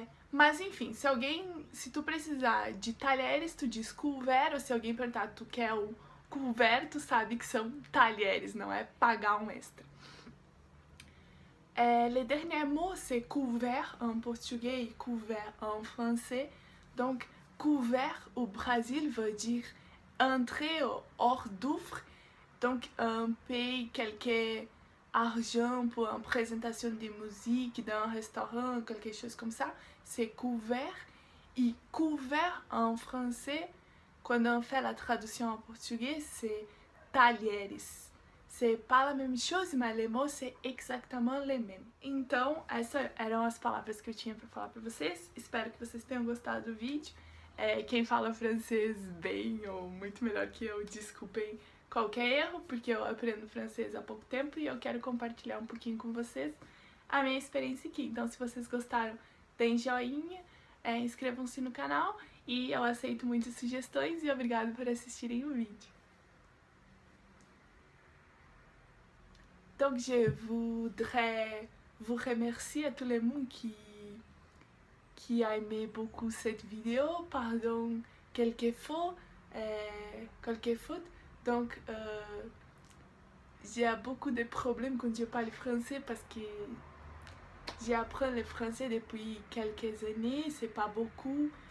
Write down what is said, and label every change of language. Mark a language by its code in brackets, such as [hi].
[pt] Mas enfim, se alguém, se tu precisar de talheres, tu diz couvert, ou se alguém perguntar tu quer o couvert, tu sabe que são talheres, não é pagar um extra. [fr] Les derniers mots, c'est couvert en portugais e couvert en français. Donc, couvert au Brésil veut dire entrée ou hors d'oeuvre. Donc, paye quelque argent pour une présentation de musique dans un restaurant, quelque chose comme ça, c'est couvert. Et couvert en français, quand on fait la traduction en portugais, c'est talheres. C'est pas la même chose, mais les mots, c'est exactement les mêmes. [pt] Então, essas eram as palavras que eu tinha para falar para vocês. Espero que vocês tenham gostado do vídeo. Quem fala francês bem ou muito melhor que eu, desculpem qualquer erro, porque eu aprendo francês há pouco tempo e eu quero compartilhar um pouquinho com vocês a minha experiência aqui. Então, se vocês gostaram, deem joinha, inscrevam-se no canal e eu aceito muitas sugestões e obrigado por assistirem o vídeo. [fr] Donc, je voudrais vous remercier à tout le monde qui a aimé beaucoup cette vidéo. Pardon, quelques fautes. Donc, j'ai beaucoup de problèmes quand je parle français parce que j'ai appris le français depuis quelques années, c'est pas beaucoup.